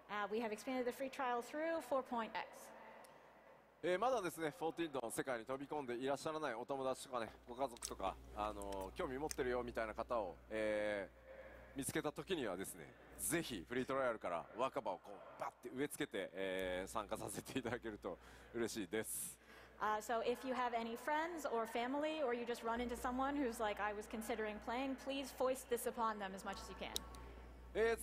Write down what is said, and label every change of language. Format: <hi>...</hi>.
<en>We have expanded the free trial through 4.x.</en> <ja>まだですね、14の世界に飛び込んでいらっしゃらないお友達とかね、ご家族とか、興味持ってるよみたいな方を、見つけた時にはですね、ぜひフリートライアルから若葉をこうバッて植え付けて、参加させていただけると嬉しいです。</ja> <en>So if you have any friends or family or you just run into someone who's like I was considering playing, please foist this upon them as much as you can.</en>